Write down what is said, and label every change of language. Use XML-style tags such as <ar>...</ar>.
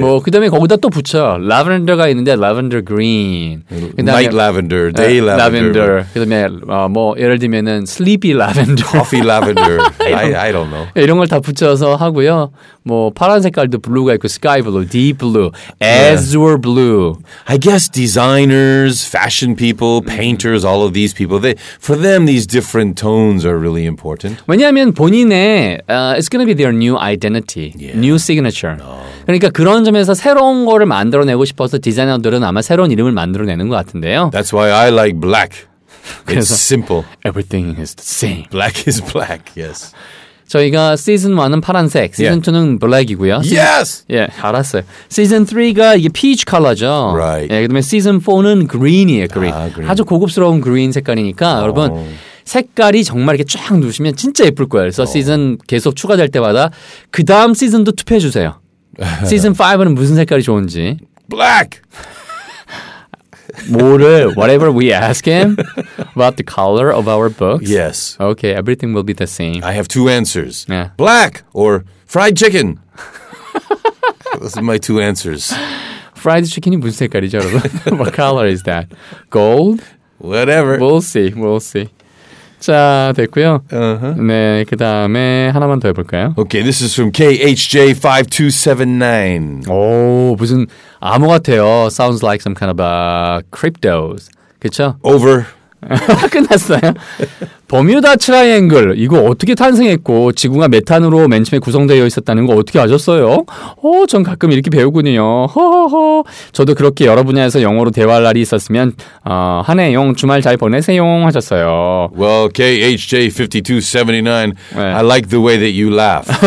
<ko>뭐 그다음에 거기다 또 붙여.</ko> <en>Lavender가 있는데 lavender green. Night lavender, day lavender.</en> <ko>Lavender. 그다음에 뭐 예를 들면은</ko> <en>sleepy lavender, coffee lavender. 이런, I don't know.</en> <ko>이런 걸 다 붙여서 하고요. 뭐 파란 색깔도 blue가 있고 sky blue, deep blue, azure blue.</ko> <en>I guess designers, fashion people, painters, all of these people, they for them these different tones are really important.</en> <ko>왜냐하면 본인의</ko> <en>it's going to be their new identity, new signature. No.</en> <ko>그러니까 그런 점에서 새로운 거를 만들어내고 싶어서 디자이너들은 아마 새로운 이름을 만들어내는 것 같은데요.</ko> <en>That's why I like black. It's simple. Everything is the same. Black is black, yes.</en> <ko>저희가 시즌 1은 파란색, 시즌 2는 블랙이고요.</ko> <en>Yes!</en> <ko>예, 알았어요. 시즌 3가 이게</ko> <en>peach color</en> <ko>죠.</ko> <en>Right.</en> <ko>예, 그다음에 시즌 4는 green이에요, green. 아, green. 아주 고급스러운 green 색깔이니까 oh. 여러분 색깔이 정말 이렇게 쫙 누르시면 진짜 예쁠 거예요. 그래서 시즌 계속 추가될 때마다 그 다음 시즌도 투표해 주세요. 시즌 5는 무슨 색깔이 좋은지.</ko> <en>Black!</en> <ko>뭐를,</ko> <en>whatever we ask him about the color of our books. Yes. Okay, everything will be the same. I have two answers. Yeah. Black or fried chicken. Those are my two answers. Fried chicken이</en> <ko>무슨 색깔이죠, 여러분?</ko> <en>What color is that? Gold? Whatever. We'll see, we'll see.</en> <ko>자, 됐고요.</ko> <en>Uh-huh.</en> <ko>네, 그 다음에 하나만 더 해볼까요?</ko> <en>Okay, this is from KHJ5279.</en> <ko>오, 무슨 암호 같아요.</ko> <en>Sounds like some kind of cryptos.</en> <ko>그쵸?</ko> <en>Over.</en> <ko>끝났어요. 버뮤다 트라이앵글. 이거 어떻게 탄생했고 지구가 메탄으로 맨 처음에 구성되어 있었다는 거 어떻게 아셨어요? 오, 전 가끔 이렇게 배우군요. 허허허. 저도 그렇게 여러 분야에서 영어로 대화할 날이 있었으면 한 해용 주말 잘 보내세요 하셨어요.</ko> <en>Well, KHJ5279, 네. I like the way that you laugh.</en>